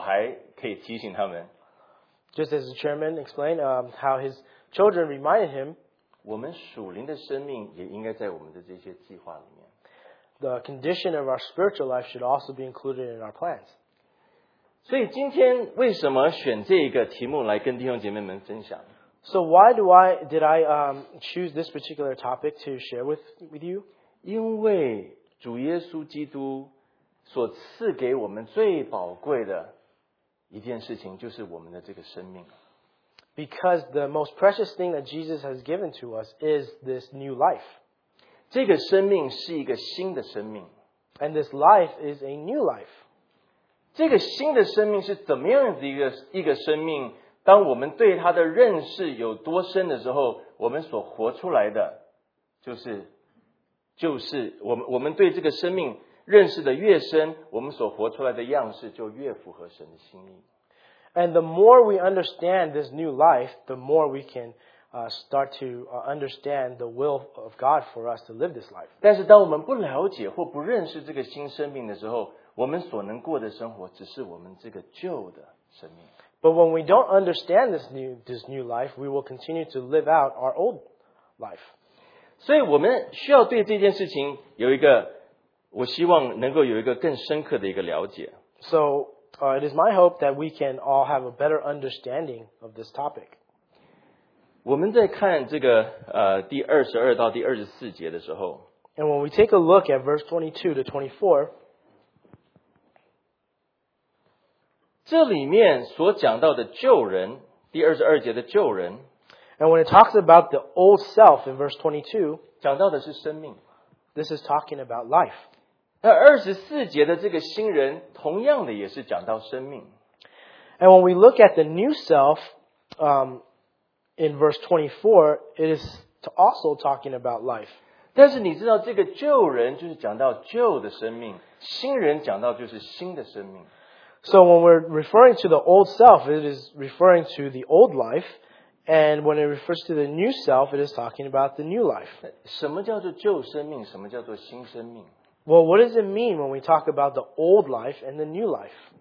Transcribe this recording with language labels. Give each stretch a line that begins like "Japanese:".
Chinese: 就像刚刚培刚跟我们分享，他们自己家中在分享的时候，很感谢神，他们的小孩可以提醒他们。
English: Just as the chairman explained, how his children reminded him.
Chinese: 我们属灵的生命也应该在我们的这些计划里面。
English: The condition of our spiritual life should also be included in our plans.
Chinese: 所以今天为什么选这个题目来跟弟兄姐妹们分享？
English: So why did I choose this particular topic to share with you?
Chinese: 因为主耶稣基督所赐给我们最宝贵的一件事情就是我们的这个生命。
English: Because the most precious thing that Jesus has given to us is this new life.
Chinese: 这个生命是一个新的生命。
English: And this life is a new life.
Chinese: 这个新的生命是怎么样的一个生命？当我们对他的认识有多深的时候，我们所活出来的就是就是我们对这个生命认识的越深，我们所活出来的样式就越符合神的心意。
English: And the more we understand this new life, the more we can start to understand the will of God for us to live this life.
Chinese: 但是当我们不了解或不认识这个新生命的时候，我们所能过的生活只是我们这个旧的生命。
English: But when we don't understand this new life, we will continue to live out our old life.
Chinese: 所以我们需要对这件事情有一个，我希望能够有一个更深刻的一个了解。
English: So, it is my hope that we can all have a better understanding of this topic.
Chinese: 我们在看这个第二十二到第二十四节的时候。
English: And when we take a look at verse 22 to 24,
Chinese: 这里面所讲到的旧人，第二十二节的旧人。
English: And when it talks about the old self in verse 22,
Chinese: 讲到的是生命。
English: This is talking about life.
Chinese: 那二十四节的这个新人，同样的也是讲到生命。
English: And when we look at the new self, in verse 24, it is also talking about life.
Chinese: 但是你知道这个旧人就是讲到旧的生命，新人讲到就是新的生命。
English: So when we're referring to the old self, it is referring to the old life. And when it refers to the new self, it is talking about the new life.
Chinese: 什么叫做旧生命？什么叫做新生命？
English: Well, what does it mean when we talk about the old life and the new life?